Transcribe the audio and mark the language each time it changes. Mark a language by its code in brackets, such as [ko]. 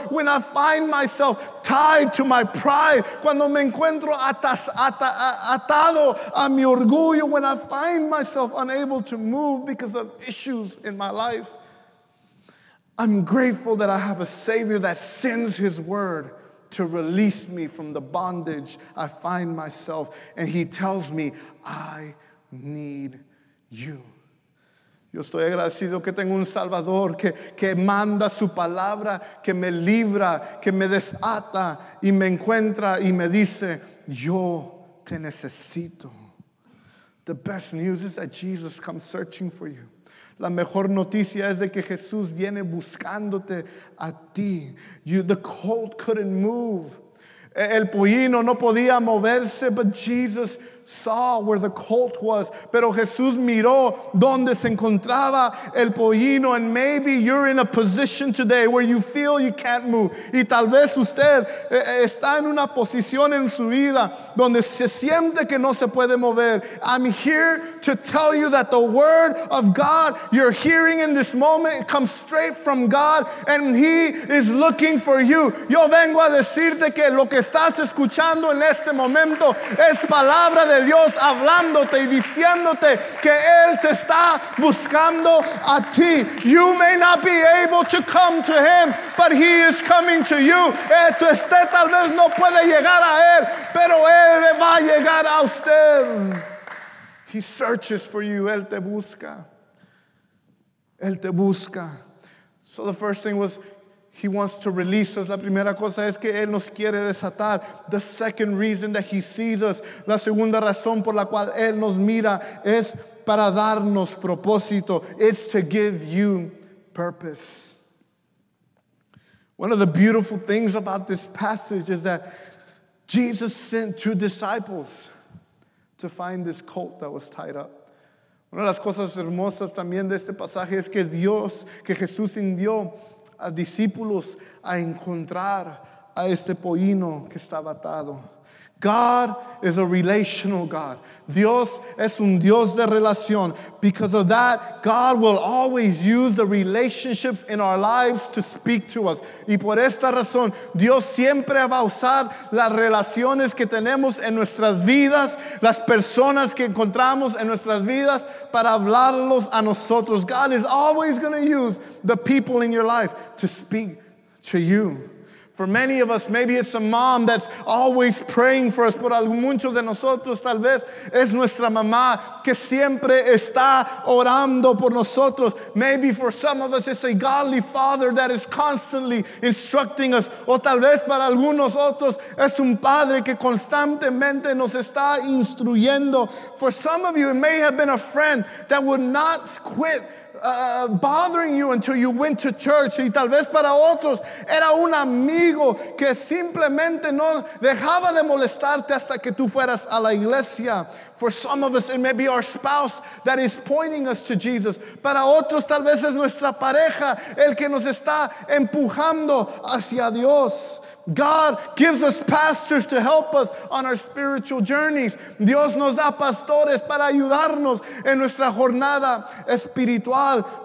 [en] when I find myself tied to my pride, [es] cuando me encuentro atado a mi orgullo, [en] when I find myself unable to move because of issues in my life, I'm grateful that I have a Savior that sends his word to release me from the bondage I find myself, and he tells me, "I need you." [es] Yo estoy agradecido que tengo un Salvador que manda su palabra, que me libra, que me desata y me encuentra y me dice, "Yo te necesito." [en] The best news is that Jesus comes searching for you. [es] La mejor noticia es de que Jesús viene buscándote a ti. [en] The colt couldn't move. [es] El pollino no podía moverse, [en] but Jesus saw where the colt was, [es] pero Jesús miró donde se encontraba el pollino. [en] And maybe you're in a position today where you feel you can't move. [es] Y tal vez usted está en una posición en su vida donde se siente que no se puede mover. [en] I'm here to tell you that the word of God you're hearing in this moment comes straight from God, and He is looking for you. [es] Yo vengo a decirte que lo que estás escuchando en este momento es palabra de Dios hablándote y diciéndote que Él te está buscando a ti. [en] You may not be able to come to Him, but He is coming to you. [es] Tú usted tal vez no puede llegar a Él, pero Él le va a llegar a usted. [en] He searches for you. [es] Él te busca. Él te busca. [en] So the first thing was, He wants to release us. [es] La primera cosa es que Él nos quiere desatar. [en] The second reason that He sees us. [es] La segunda razón por la cual Él nos mira es para darnos propósito. [en] It's to give you purpose. One of the beautiful things about this passage is that Jesus sent two disciples to find this colt that was tied up. [es] Una de las cosas hermosas también de este pasaje es que Dios, que Jesús envió a discípulos a encontrar a este pollino que estaba atado. [en] God is a relational God. [es] Dios es un Dios de relación. [en] Because of that, God will always use the relationships in our lives to speak to us. [es] Y por esta razón, Dios siempre va a usar las relaciones que tenemos en nuestras vidas, las personas que encontramos en nuestras vidas, para hablarlos a nosotros. [en] God is always going to use the people in your life to speak to you. For many of us, maybe it's a mom that's always praying for us. [es] Por muchos de nosotros, tal vez es nuestra mamá que siempre está orando por nosotros. [en] Maybe for some of us, it's a godly father that is constantly instructing us. [es] O tal vez para algunos otros, es un padre que constantemente nos está instruyendo. [en] For some of you, it may have been a friend that would not quit bothering you until you went to church. [es] Y tal vez para otros era un amigo que simplemente no dejaba de molestarte hasta que tú fueras a la iglesia. [en] For some of us, it may be our spouse that is pointing us to Jesus. [es] Para otros, tal vez es nuestra pareja el que nos está empujando hacia Dios. [en] God gives us pastors to help us on our spiritual journeys. [es] Dios nos da pastores para ayudarnos en nuestra jornada espiritual.